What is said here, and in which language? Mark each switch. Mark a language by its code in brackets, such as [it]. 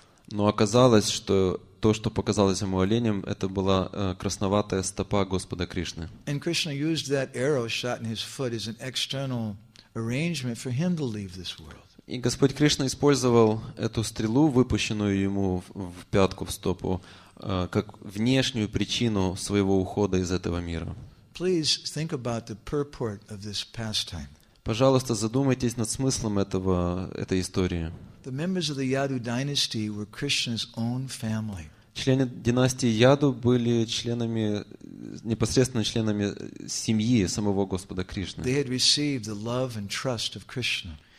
[ru] Но оказалось, что то, что показалось ему оленем, это была красноватая стопа Господа Кришны. [en] And Krishna used that arrow shot in his foot as an external arrangement for him to leave this world. [ru] И Господь Кришна использовал эту стрелу, выпущенную ему в пятку, в стопу, как внешнюю причину своего ухода из этого мира. [en] Please think about the purport of this pastime. [ru] Пожалуйста, задумайтесь над смыслом этой истории. [en] The members of the Yadu dynasty were Krishna's own family. [ru] Члены династии Яду были членами, непосредственно членами семьи самого Господа Кришны. [en] They had received the love and trust of Krishna.